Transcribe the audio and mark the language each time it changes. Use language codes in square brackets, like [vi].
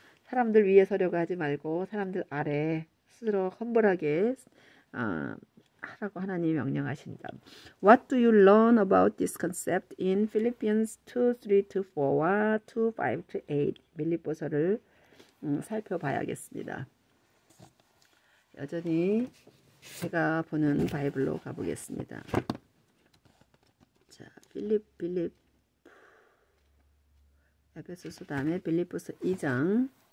[ko] 사람들 위에서려고 하지 말고 사람들 아래 스스로 험불하게 하라고 하나님이 명령하신다. [en] What do you learn about this concept in Philippians 2:3-4와 2:5-8? [ko] 빌립보서를 살펴봐야겠습니다. 여전히 제가 보는 바이블로 가보겠습니다. 자, 빌립 에베소서 다음에 빌립보서 2장.